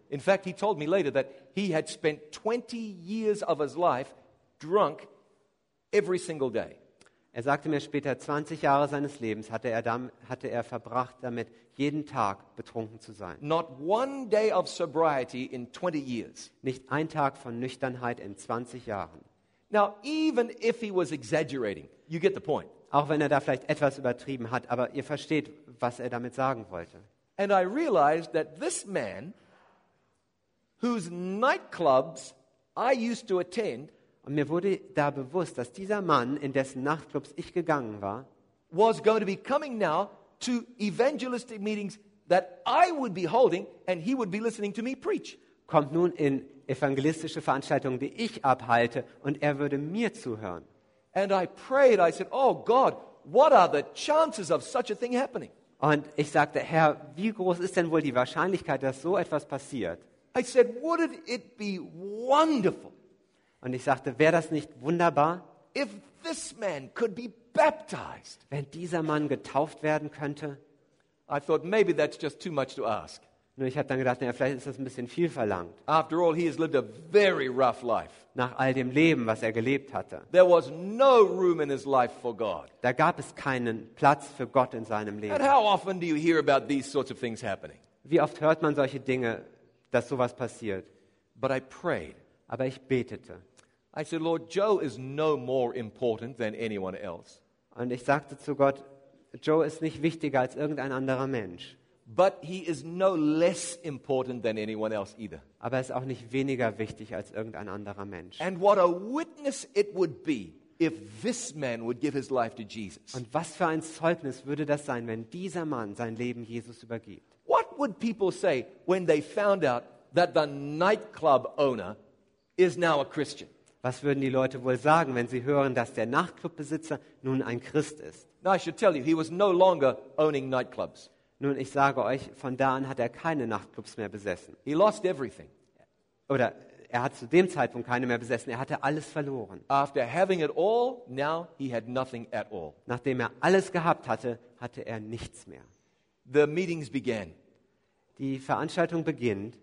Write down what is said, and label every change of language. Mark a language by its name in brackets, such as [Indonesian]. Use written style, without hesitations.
[English] In fact, he told me later that he had spent 20 years of his life drunk every single day. [German] Er sagte mir später, 20 Jahre seines Lebens hatte er verbracht damit, jeden Tag betrunken zu sein. [English] Not one day of sobriety in 20 years. [German] Nicht ein Tag von Nüchternheit in 20 Jahren. [English] Now, even if he was exaggerating, you get the point. [German] Auch wenn er da vielleicht etwas übertrieben hat, aber ihr versteht, was er damit sagen wollte. [English] And I realized that this man, whose nightclubs I used to attend, [German] und mir wurde da bewusst, dass dieser Mann, in dessen Nachtclubs ich gegangen war, [English] was going to be coming now to evangelistic meetings that I would be holding and he would be listening to me preach. [German] Kommt nun in evangelistische Veranstaltungen, die ich abhalte, und er würde mir zuhören. [English] And I prayed, I said, "Oh God, what are the chances of such a thing happening?" [German] Und ich sagte, "Herr, wie groß ist denn wohl die Wahrscheinlichkeit, dass so etwas passiert?" [English] I said, "Wouldn't it be wonderful?" [German] Und ich sagte, wäre das nicht wunderbar, [English] if this man could be baptized, [German] wenn dieser Mann getauft werden könnte? [English] I thought, maybe that's just too much to ask. [German] Nur ich habe dann gedacht, naja, vielleicht ist das ein bisschen viel verlangt. [English] After all, he has lived a very rough life. [German] Nach all dem Leben, was er gelebt hatte. [English] There was no room in his life for God. [German] Da gab es keinen Platz für Gott in seinem Leben. [English] And how often do you hear about these sorts of things happening? [German] Wie oft hört man solche Dinge, dass sowas passiert? [English] But I prayed. [German] Aber ich betete. [English] I said, "Lord, Joe is no more important than anyone else." [German] Und ich sagte zu Gott, Joe ist nicht wichtiger als irgendein anderer Mensch. [English] But he is no less important than anyone else either. [German] Aber er ist auch nicht weniger wichtig als irgendein anderer Mensch. [English] And what a witness it would be if this man would give his life to Jesus. [German] Und was für ein Zeugnis würde das sein, wenn dieser Mann sein Leben Jesus übergibt? [English] What would people say when they found out that the nightclub owner is now a Christian? [German] Was würden die Leute wohl sagen, wenn sie hören, dass der Nachtclubbesitzer nun ein Christ ist? [English] Now I should tell you, he was no longer owning nightclubs. [German] Nun, ich sage euch, von da an hat er keine Nachtclubs mehr besessen. [English] He lost everything. [German] Oder er hat zu dem Zeitpunkt keine mehr besessen. Er hatte alles verloren. [English] After having it all, now he had nothing at all. [German] Nachdem er alles gehabt hatte, hatte er nichts mehr. [English] The meetings began. [German] Die Veranstaltung beginnt.